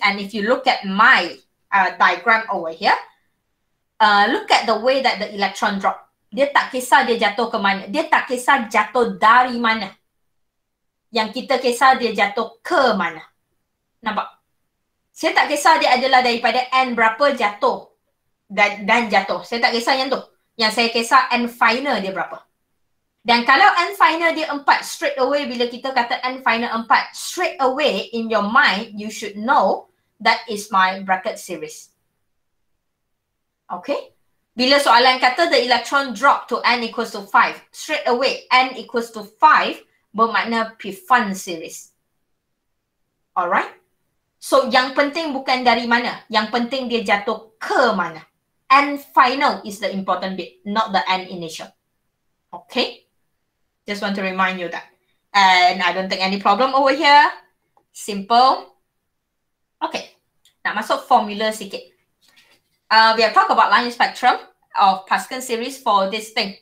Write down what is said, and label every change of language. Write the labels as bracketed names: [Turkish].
[English] And if you look at my diagram over here, look at the way that the electron drop. [Malay] Dia tak kisah dia jatuh ke mana. Dia tak kisah jatuh dari mana. Yang kita kisah dia jatuh ke mana. Nampak? Saya tak kisah dia adalah daripada n berapa jatuh dan jatuh. Saya tak kisah yang tu. Yang saya kisah n final dia berapa. Dan kalau n final dia 4, [English] straight away [Malay] bila kita kata n final 4, [English] straight away in your mind, you should know that is my bracket series. Okay? [Malay] Bila soalan kata [English] the electron drop to n equals to 5, straight away n equals to 5 bermakna Pfund series. Alright? [Malay] So yang penting bukan dari mana, yang penting dia jatuh ke mana. [English] N final is the important bit, not the n initial. Okay? Just want to remind you that. And I don't think any problem over here. Simple. Okay. [Malay] Nak masuk formula sikit. [English] We have talked about line spectrum of Pascal series for this thing.